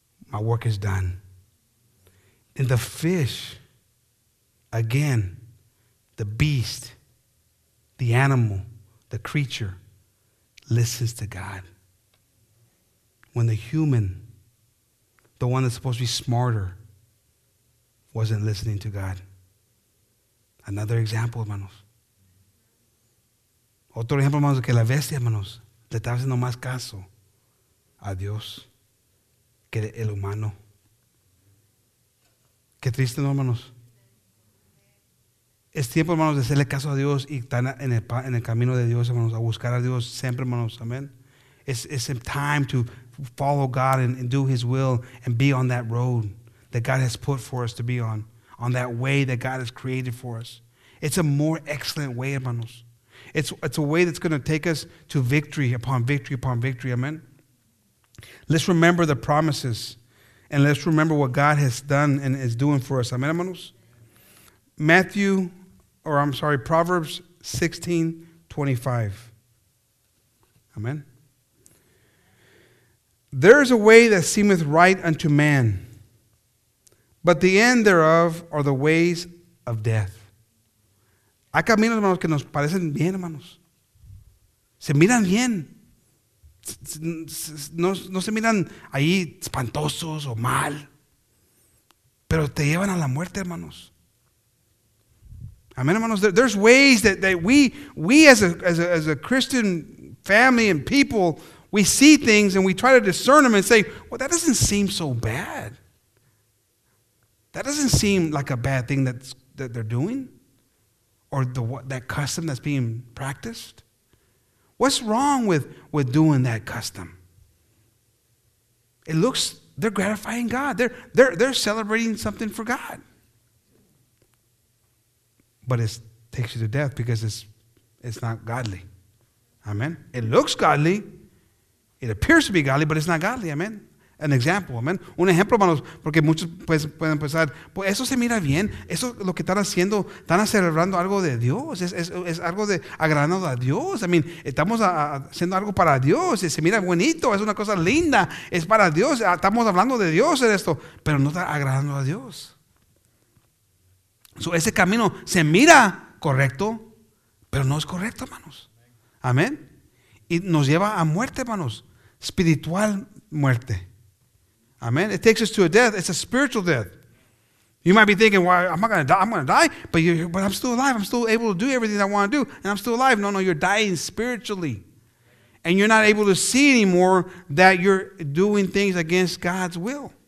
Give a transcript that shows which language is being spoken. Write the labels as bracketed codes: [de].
[en] My work is done. And the fish, again, the beast, the animal, the creature, listens to God. When the human, the one that's supposed to be smarter, wasn't listening to God. Another example, hermanos. [es] Otro ejemplo, hermanos, que la bestia, hermanos, le estaba haciendo más caso a Dios que el humano. Qué triste, ¿no, hermanos? Es tiempo, hermanos, de hacerle caso a Dios y estar en el camino de Dios, hermanos, a buscar a Dios siempre, hermanos. Amén. [en] It's time to follow God and do His will and be on that road that God has put for us to be on that way that God has created for us. It's a more excellent way, hermanos. It's a way that's going to take us to victory upon victory upon victory. Amen. Let's remember the promises and let's remember what God has done and is doing for us. Amen, hermanos. Proverbs 16:25. Amen. There is a way that seemeth right unto man, but the end thereof are the ways of death. [es] Hay caminos, hermanos, que nos parecen bien, hermanos. Se miran bien. No se miran ahí espantosos o mal. Pero te llevan a la muerte, hermanos. Amen, hermanos. [en] There's ways that we as a Christian family and people, we see things and we try to discern them and say, well, that doesn't seem so bad. That doesn't seem like a bad thing that they're doing, or that custom that's being practiced. What's wrong with doing that custom? It looks they're gratifying God. They're celebrating something for God. But it takes you to death because it's not godly. Amen. It looks godly. It appears to be godly, but it's not godly. Amen. An example, amen. [es] Un ejemplo, hermanos, porque muchos pueden pensar, pues eso se mira bien, eso lo que están haciendo, están celebrando algo de Dios, es algo de agradando a Dios. [en] I mean, [es] estamos haciendo algo para Dios, se mira bonito, es una cosa linda, es para Dios, estamos hablando de Dios en esto, pero no está agradando a Dios. So, ese camino se mira correcto, pero no es correcto, hermanos. Amén. Y nos lleva a muerte, hermanos, espiritual muerte. [en] Amen. It takes us to a death. It's a spiritual death. You might be thinking, well, I'm not going to die. I'm going to die. But I'm still alive. I'm still able to do everything I want to do. And I'm still alive. No, you're dying spiritually. And you're not able to see anymore that you're doing things against God's will.